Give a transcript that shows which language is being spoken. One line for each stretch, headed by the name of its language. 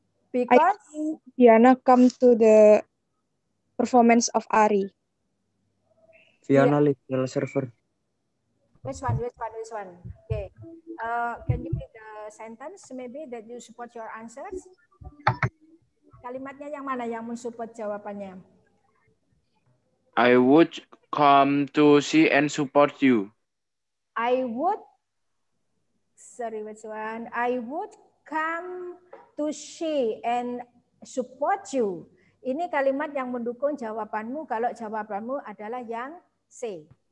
English: Because? I think Diana come to the performance of Ari. Diana lead the server. Which one? Okay. Can you read the sentence maybe that you support your answers?
Indonesian: Kalimatnya yang mana yang mensupport jawabannya?
English: I would come to see and support you. I would. Sorry, which one? I would come to see and support you.
Indonesian: Ini kalimat yang mendukung jawabanmu kalau jawabanmu adalah yang C.